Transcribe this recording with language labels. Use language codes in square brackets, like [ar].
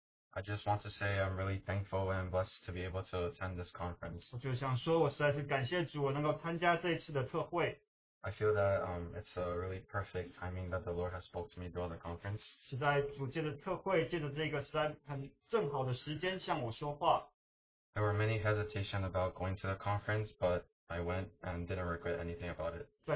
[en] I just want to say I'm really thankful and blessed to be able to attend this conference. [zh] 我就想说，我实在是感谢主，我能够参加这一次的特会。 [en] I feel that it's a really perfect timing that the Lord has spoke to me through the conference. [zh] 是在主借着特会，借着这个，是在很正好的时间向我说话。 [en] There were many hesitation about going to the conference, but I went and didn't regret anything about it.